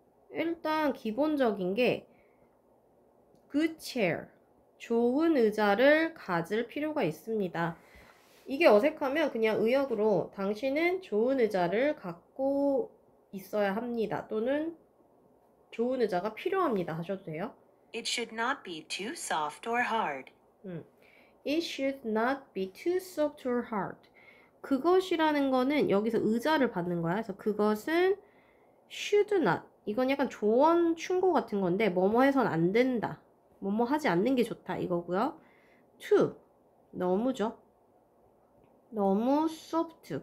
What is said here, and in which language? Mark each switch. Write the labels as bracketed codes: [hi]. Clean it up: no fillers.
[ko] 일단 기본적인 게 [en] good chair, [ko] 좋은 의자를 가질 필요가 있습니다. 이게 어색하면 그냥 의역으로 당신은 좋은 의자를 갖고 있어야 합니다. 또는 좋은 의자가 필요합니다. 하셔도 돼요. [en] It should not be too soft or hard. It should not be too soft or hard. [ko] 그것이라는 거는 여기서 의자를 받는 거야. 그래서 그것은 should not. 이건 약간 조언, 충고 같은 건데, 뭐뭐 해선 안 된다. 뭐뭐 하지 않는 게 좋다. 이거고요. too. 너무죠. 너무 soft.